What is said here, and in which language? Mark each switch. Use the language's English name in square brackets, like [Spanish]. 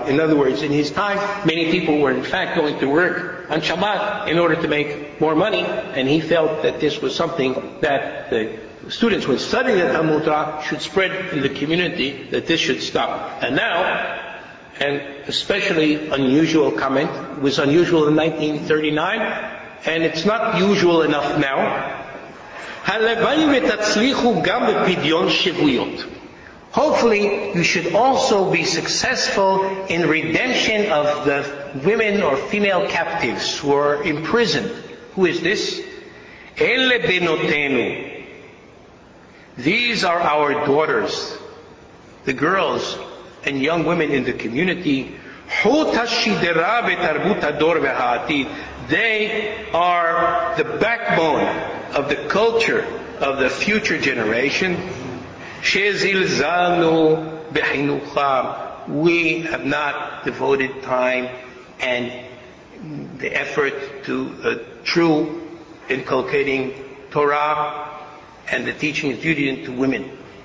[English] In other words, in his time, many people were in fact going to work on Shabbat in order to make more money, and he felt that this was something that the students who studied the Talmud Torah should spread in the community, that this should stop. And now, an especially unusual comment, was unusual in 1939, and it's not usual enough now. [Hebrew] הלוואי ותצליחו גם בפדיון שבויות. [English] Hopefully, you should also be successful in redemption of the women or female captives who are imprisoned. Who is this? [Hebrew] אלה בנותינו. [English] These are our daughters, the girls and young women in the community. [Hebrew] חוט השדרה בתרבות הדור והעתיד. [English] They are the backbone of the culture of the future generation. [Hebrew] שזלזלנו בחינוכם. [English] We have not devoted time and the effort to a true inculcating Torah and the teaching of Judaism to women.